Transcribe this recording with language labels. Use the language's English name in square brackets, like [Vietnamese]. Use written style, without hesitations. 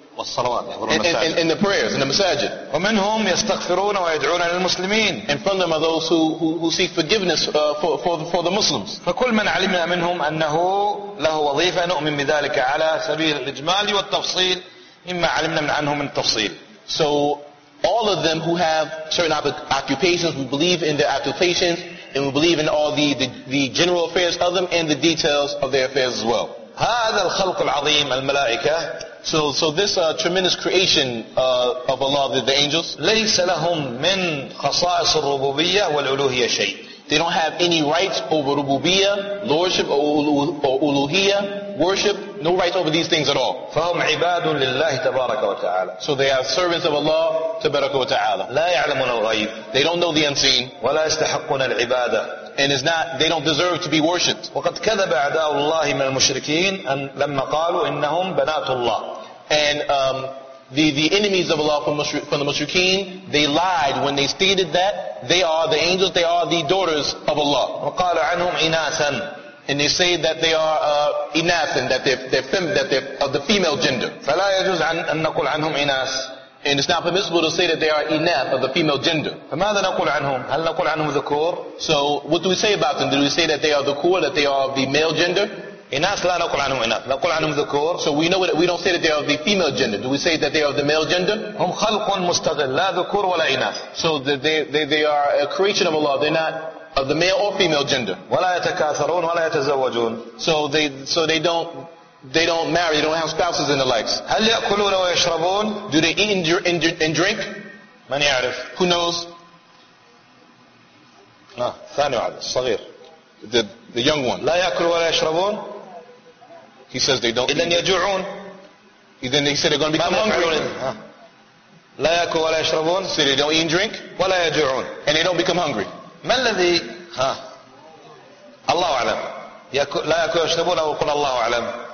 [English] In the prayers, in the masajid. [Arabic] ومنهم يستغفرون ويدعون للمسلمين. [English] And from them are those who seek forgiveness for the Muslims. [Arabic] فكل من علمنا منهم أنه له وظيفة نؤمن بذلك على سبيل الإجمال والتفصيل مما علمنا من عنهم من التفصيل. [English] So all of them who have certain occupations, we believe in their occupations, and we believe in all the general affairs of them and the details of their affairs as well. [Arabic] هذا الخلق العظيم الملائكة. [English] So this tremendous creation of Allah, the angels. [Arabic] ليس لهم من خصائص الربوبية والألوهية شيء. [English] They don't have any rights over ربوبية, lordship or ألوهية, worship. No rights over these things at all. [Arabic] فهم عباد لله تبارك وتعالى. [English] So they are servants of Allah [Arabic] تبارك وتعالى. لا يعلمون الغيب. [English] They don't know the unseen. [Arabic] ولا يستحقون العبادة. [English] And is not, they don't deserve to be worshipped. [Arabic] وقد كذب أعداء الله من المشركين أن لما قالوا إنهم بنات الله. [English] And the enemies of Allah from the mushrikeen, they lied when they stated that they are the angels, they are the daughters of Allah. [Arabic] وقالوا عنهم إناثا. [English] And they say that they are إناثا, that they're of the female gender. [Arabic] فلا يجوز أن نقول عنهم إناث. [English] And it's not permissible to say that they are enough of the female gender. [Arabic] فماذا نقول عنهم؟ هل نقول عنهم ذكور؟ [English] So what do we say about them? Do we say that they are ذكور, that they are of the male gender? [Arabic] إناث لا نقول عنهم إناث. نقول عنهم ذكور. [English] So we know that we don't say that they are of the female gender. Do we say that they are of the male gender? [Arabic] هم خلق مستقل لا ذكور ولا إناث. [English] So they are a creation of Allah. They're not of the male or female gender. [Arabic] ولا يتكاثرون ولا يتزوجون. [English] So they don't marry, they don't have spouses and the likes. [Arabic] هل يأكلون ويشربون? [English] Do they eat and drink? [Arabic] من يعرف? [English] Who knows? [Arabic] ثاني واحد الصغير. [English] The young one. [Arabic] لا يأكل ولا يشربون? [English] He says they don't. [Arabic] إذن يجوعون. [English] Then he said they're going to become hungry. [Arabic] لا يأكل ولا يشربون? [English] So they don't eat and drink? [Arabic] ولا يجوعون. [English] And they don't become hungry. [Arabic] ما الذي? الله أعلم. لا يأكل ولا يشربون أو قل الله أعلم.